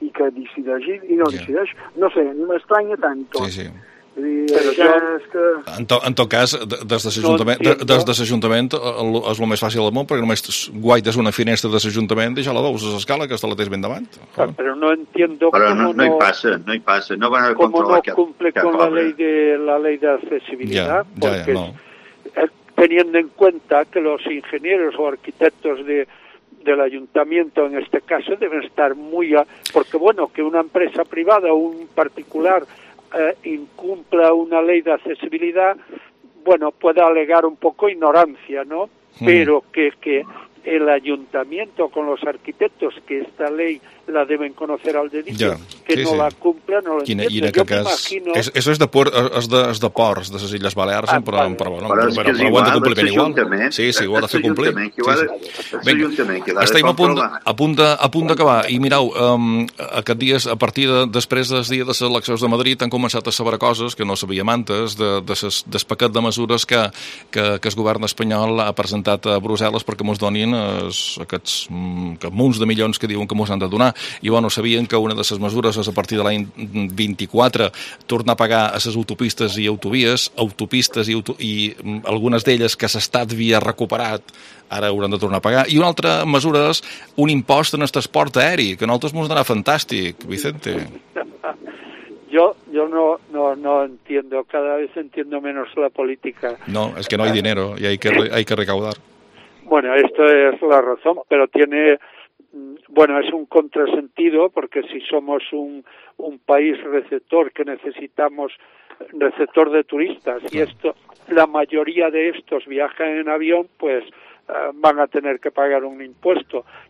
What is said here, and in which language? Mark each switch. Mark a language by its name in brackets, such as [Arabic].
[Catalan] I que decideix i no, sí. Decideix. No sé, m'estranya tant tot. Sí. Però això és que... En tot cas, des de l'Ajuntament és el més fàcil del món, perquè només guaites una finestra de l'Ajuntament i ja la veus a l'escala, que està la tens ben davant. [Spanish] Però no entiendo [Catalan] com no... No hi passa, no van a controlar com no [Spanish] cumple con la ley de accesibilidad, [Catalan] ja, [Spanish] teniendo en cuenta que los ingenieros o arquitectos del ayuntamiento en este caso deben estar muy... Porque bueno, que una empresa privada o un particular incumpla una ley de accesibilidad, bueno, puede alegar un poco ignorancia, ¿no? Pero que el ayuntamiento con los arquitectos que esta ley la deben conocer al dedillo, [Catalan] ja, [Spanish] que no la cumpla, no lo entiendo. [Catalan] Quina, jo m'imagino... [Spanish] Eso es [Catalan] de ports, de les Illes Balears, però ho han de complir igual. Sí, ho ha de fer complir. Vinga, estem a punt d'acabar. I mirau, aquest dia, a partir de després del dia de les eleccions de Madrid, han començat a saber coses que no sabíem antes del paquet de mesures que el govern espanyol ha presentat a Brussel·les perquè mos donin aquests munts de milions que diuen que mos han de donar. I bueno, sabien que una de les mesures és a partir de l'any 24 tornar a pagar a les autopistes i autovies i algunes d'elles que l'Estat havia recuperat ara hauran de tornar a pagar. I una altra mesura és un impost en el transport aeri, que a nosaltres ens donarà fantàstic, Vicente. [Spanish] Yo no entiendo, cada vez entiendo menos la política. No, es que no hay dinero y hay que recaudar. Bueno, esto es la razón, pero tiene... Bueno, es un contrasentido porque si somos un país receptor que necesitamos receptor de turistas y esto la mayoría de estos viajan en avión, pues van a tener que pagar un impuesto.